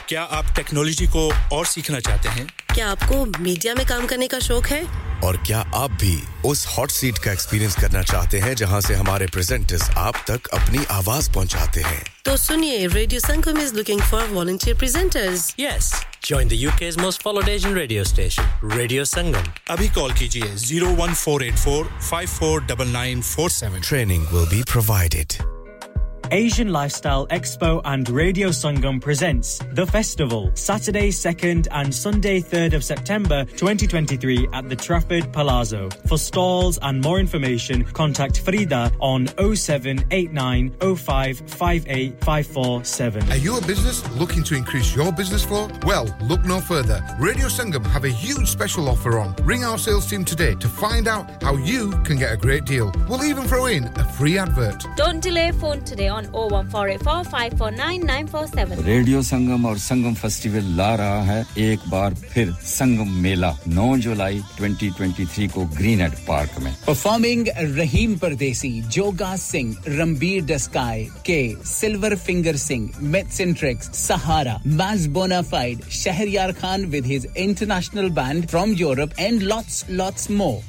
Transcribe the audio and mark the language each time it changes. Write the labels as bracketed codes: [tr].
[hi] क्या आप टेक्नोलॉजी को और सीखना चाहते हैं क्या आपको मीडिया में काम करने का शौक है और क्या आप भी उस हॉट सीट का एक्सपीरियंस करना चाहते हैं जहां से हमारे प्रेजेंटर्स आप तक अपनी आवाज पहुंचाते हैं तो सुनिए [en] Radio Sangam is looking for volunteer presenters yes Join the UK's most followed Asian radio station, Radio Sangam. [hi] Abhi call kijiye 01484-549947. [en] Training will be provided. Asian Lifestyle Expo and Radio Sangam presents The Festival, Saturday 2nd and Sunday 3rd of September 2023 at the Trafford Palazzo. For stalls and more information, contact Frida on 07890558547. Are you a business looking to increase your business flow? Well, look no further. Radio Sangam have a huge special offer on. Ring our sales team today to find out how you can get a great deal. We'll even throw in a free advert. Don't delay, phone today on 01484549947 [hi] radio संगम और संगम festival ला रहा है एक बार फिर संगम मेला 9 जुलाई 2023 को Greenhead park में [en] performing Rahim Pardesi Joga Singh Ranbir डस्काय के silver finger Singh myths and tricks Sahara मैज bonafide Shahryar Khan with his international band from Europe and lots more